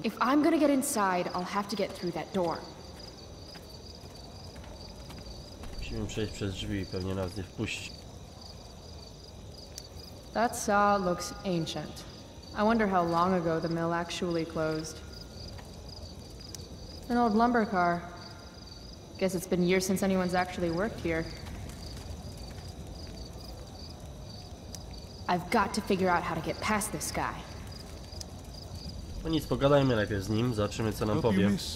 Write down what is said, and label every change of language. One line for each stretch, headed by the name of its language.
English: If I'm gonna get inside, I'll have to get through that door.
Polish: Musimy przejść przez drzwi i pewnie nas nie wpuści.
English: That saw looks ancient. I wonder how long ago the mill actually closed. An old lumber car. Guess it's been years since anyone's actually worked here. I've got to figure out how to get past this guy.
Polish: No nic, pogadajmy najpierw z nim, zobaczymy co nam powie.